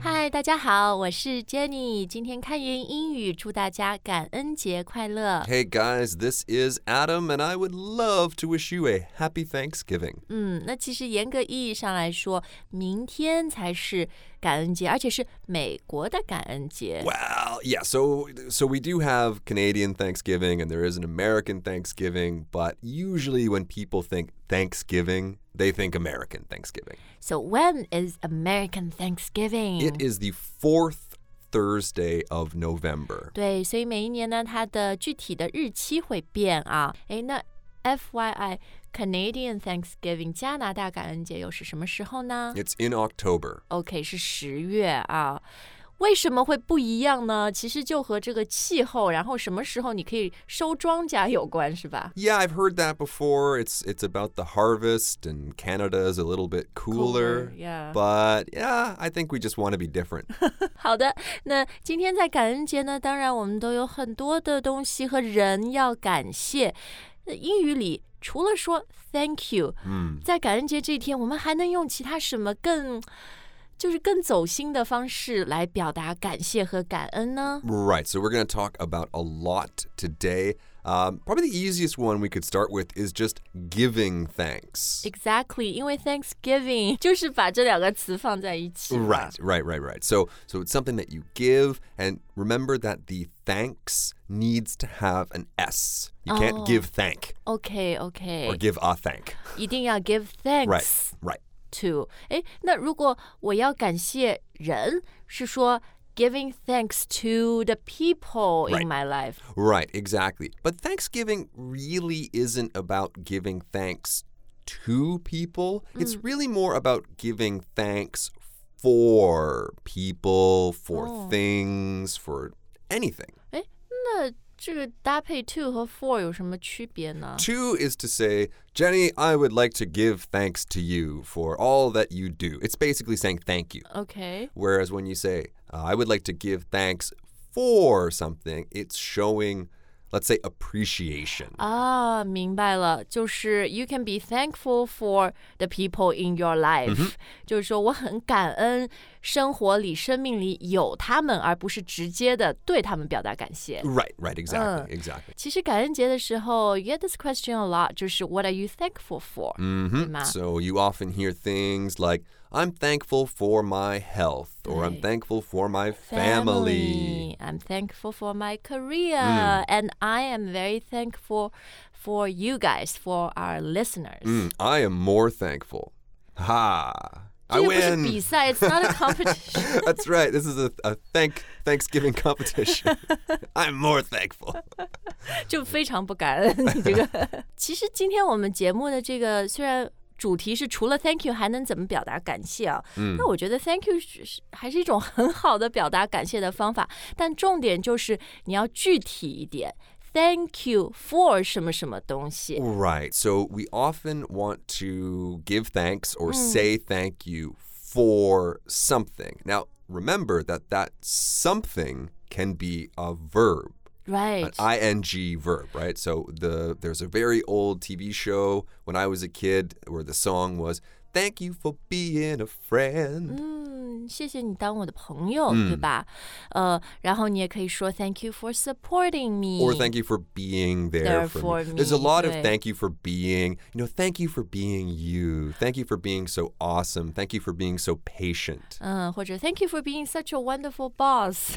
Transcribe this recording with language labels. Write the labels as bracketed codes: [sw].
[zh] 大家好，我是 Jenny， 今天开言英语祝大家感恩节快乐。 [en] Hey guys, this is Adam, and I would love to wish you a happy Thanksgiving. [zh] 那其实严格意义上来说，明天才是感恩节，而且是美国的感恩节。 [en] Well, yeah, so we do have Canadian Thanksgiving, and there is an American Thanksgiving, but usually when people think Thanksgiving,They think American Thanksgiving. So when is American Thanksgiving? It is the 4th Thursday of November. [zh] 对，所以每一年呢，它的具体的日期会变啊。哎，那 FYI, Canadian Thanksgiving, 加拿大感恩节又是什么时候呢？ [en] It's in October. [zh] Okay, 是十月啊。为什么会不一样呢？其实就和这个气候，然后什么时候你可以收庄稼有关，是吧？ [en] Yeah, I've heard that before. It's about the harvest, and Canada is a little bit cooler. Cooler, yeah. But yeah, I think we just want to be different. [zh] 好的，那今天在感恩节呢，当然我们都有很多的东西和人要感谢。英语里除了说 thank you,在感恩节这一天，我们还能用其他什么更？就是更走心的方式来表达感谢和感恩呢 [en] Right, so we're going to talk about a lot today. Probably the easiest one we could start with is just giving thanks. [zh] Exactly, 因为 Thanksgiving 就是把这两个词放在一起。 [en] Right. So it's something that you give, and remember that the thanks needs to have an S. You can't give thank. Okay. Or give a thank. [zh] 一定要 [en] give thanks. Right. To. [zh] 诶，那如果我要感谢人，是说 [en] giving thanks to the people in my life. Right, exactly. But Thanksgiving really isn't about giving thanks to people. It's really more about giving thanks for people, for things, for anything. [zh] 诶，那这个搭配 to 和 for 有什么区别呢 [en] ？To is to say, Jenny, I would like to give thanks to you for all that you do. It's basically saying thank you. Okay. Whereas when you say, I would like to give thanks for something, it's showing, let's say, appreciation. [zh] 明白了，就是 [en] you can be thankful for the people in your life.、 Mm-hmm. [zh] 就是说我很感恩。生活里、生命里有他们，而不是直接的对他们表达感谢。 [en] Right, exactly. [zh] 其实感恩节的时候 [en] ，you get this question a lot， 就是 What are you thankful for？嗯哼。 So you often hear things like I'm thankful for my health， or I'm thankful for my family. I'm thankful for my career，and I am very thankful for you guys, for our listeners. I am more thankful. Ha. I win. This is a competition. It's not a competition. That's right. This is a Thanksgiving competition. I'm more thankful. [zh] 就非常不感恩你这个。其实今天我们节目的这个虽然主题是除了 thank you 还能怎么表达感谢啊？那我觉得 thank you 还是一种很好的表达感谢的方法。但重点就是你要具体一点。 [en] Thank you for [zh] 什么什么东西 [en] Right, so we often want to give thanks or say thank you for something. Now, remember that something can be a verb. Right. An ing verb, right? So there's a very old TV show when I was a kid where the song was, Thank you for being a friend. [zh] 谢谢你当我的朋友，对吧？然后你也可以说 [en] thank you for supporting me. Or thank you for being there for me. There's a lot of thank you for being, you know, thank you for being you. Thank you for being so awesome. Thank you for being so patient. [zh] 或者 [en] thank you for being such a wonderful boss.